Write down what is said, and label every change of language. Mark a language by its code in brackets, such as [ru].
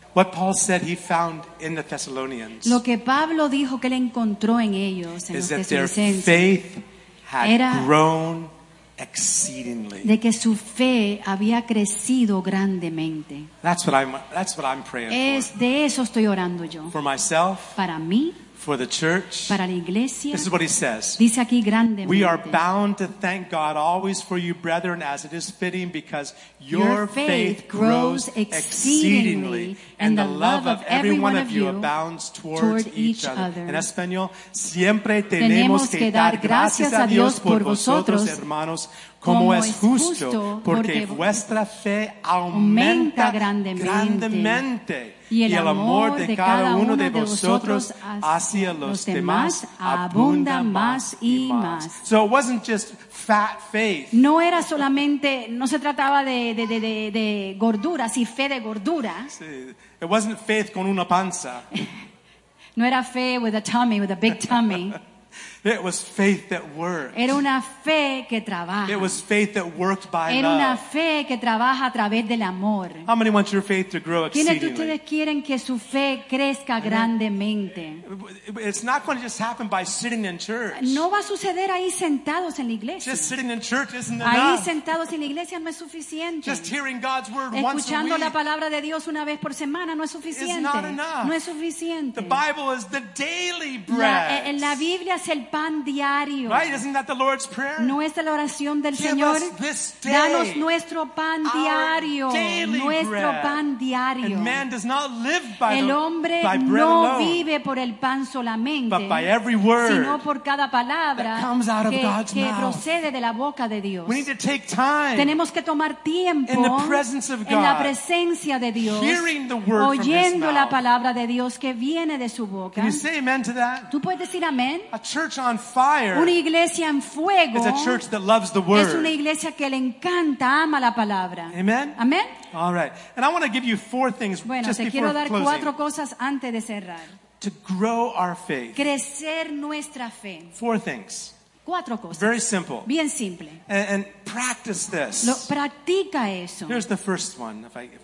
[en] What Paul said he found in the Thessalonians. [es] Lo que Pablo dijo que él encontró en ellos en los Tesalonicenses. [en] Their faith had grown exceedingly. [es] De que su fe había crecido grandemente. [en] That's what I'm praying [es] es [en] for. [es] De eso estoy orando yo. [en] For myself. [es] Para mí. [en] For the church. [es] Para la iglesia. [en] This is what he says. [es] Dice aquí grandemente. [en] We are bound to thank God always for you brethren as it is fitting because your faith grows exceedingly and the love of every one of you abounds toward each other. [es] En español, siempre tenemos que dar gracias a Dios por vosotros, hermanos, como es justo, porque vuestra fe aumenta grandemente. Y el amor de cada uno de vosotros hacia los demás abunda más y más. [en] So it wasn't just fat faith. [es] No era solamente, no se trataba de gordura, sí, fe de gordura. [en] It wasn't faith [es] con una panza. No era fe [en] with a tummy, with a big tummy. It was faith that worked. [es] Era una fe que trabaja. [en] It was faith that worked by love. [es] Era una fe que trabaja a través del amor. [en] How many want your faith to grow exceedingly? [es] ¿Quiénes de ustedes quieren que su fe crezca grandemente? [en] It's not going to just happen by sitting in church. [es] No va a suceder ahí sentados en la iglesia. [en] Just sitting in church isn't enough. [es] Ahí sentados en la iglesia no es suficiente. [en] Just hearing God's word once a week. [es] Escuchando la palabra de Dios una vez por semana no es suficiente. [en] It's not enough. [es] No es suficiente. [en] The Bible is the daily bread. [es] En la Biblia es el pan diario. [en] Right? Isn't that the Lord's prayer? [es] ¿No es la oración del [en] Give [es] Señor? [en] Us this day [es] Danos nuestro pan diario. [en] Our daily [es] nuestro [en] bread. [es] Pan diario. [en] And man does not live by [es] el hombre [en] by bread [es] no [en] alone, [es] vive por el pan solamente, [en] but by every word [es] sino por cada palabra [en] that comes out of [es] que, [en] God's [es] que [en] mouth. [es] Procede de la boca de Dios. [en] We need to take time [es] Tenemos que tomar tiempo [en] in the presence of God, [es] en la presencia de Dios, [en] hearing the word [es] oyendo [en] from [es] la [en] mouth. [es] Palabra de Dios que viene de su boca. [en] Can you say amen to that? [es] ¿Tú puedes decir amén? [en] On fire [es] una iglesia en fuego [en] is a church that loves the word. [es] Es una iglesia que le encanta, ama la palabra. [en] Amen. [es] Amen. [en] All right. And I want to give you four things [es] bueno, [en] just [es] te quiero [en] before [es] dar [en] closing. [es] Cuatro cosas antes de cerrar. [en] to grow our faith. [es] Crecer nuestra fe. [en] Four things. [es] Cuatro cosas. [en] Very simple. [es] Bien simple. [en] And practice this. [es] Practica eso. [en] Here's the first one. If